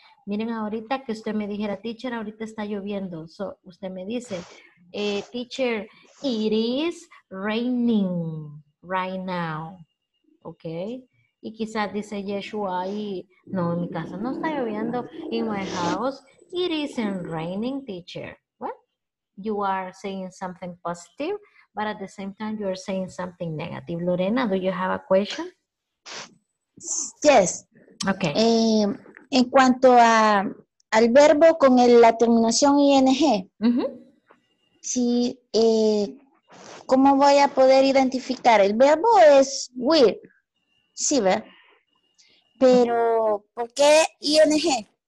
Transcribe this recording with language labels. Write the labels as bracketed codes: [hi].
[es] Miren ahorita que usted me dijera, teacher, ahorita está lloviendo. [en] So, [es] usted me dice, [en] teacher, it is raining right now. ¿Ok? [es] Y quizás dice Yeshua y no, en mi casa no está lloviendo. [en] In my house, it isn't raining, teacher. What? You are saying something positive, but at the same time, you are saying something negative. Lorena, do you have a question? Yes. Ok. [es] En cuanto a al verbo con la terminación ing, si, ¿cómo voy a poder identificar? El verbo es wear. Sí, ¿ver? Pero, ¿por qué ing?